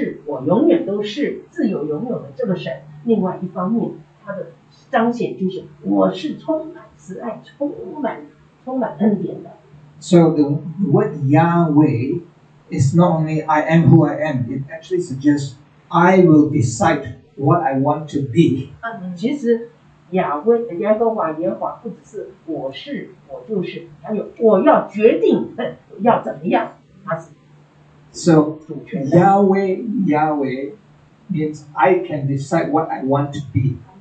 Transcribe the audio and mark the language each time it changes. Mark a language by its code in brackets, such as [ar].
[zh] 所以呢，一方面他是耶和华，耶和华，我是我永远都是自有永有的这个神。另外一方面，它的彰显就是我是充满慈爱、充满恩典的。 [en] So the word Yahweh is not only I am who I am; it actually suggests I will decide what I want to be. [zh] 其实，耶和华不只是我是我就是，还有我要决定要怎么样，它是主权的。 [en] So Yahweh means I can decide what I want to be.